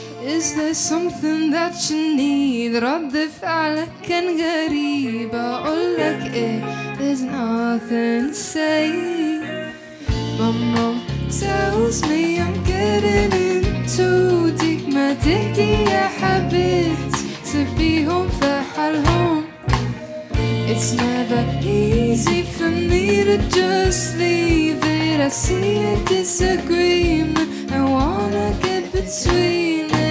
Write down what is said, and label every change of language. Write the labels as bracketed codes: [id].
[en] Is there something that you need? [ar] رد فعلك كان غريب. أقول لك إيه, [en] there's nothing to say. My mom tells me I'm getting in too deep. [ar] ما تحكي يا حبيبتي, سبيهم فحالهم. [en] It's never easy for me to just leave it. I see a disagreement, I wanna get between.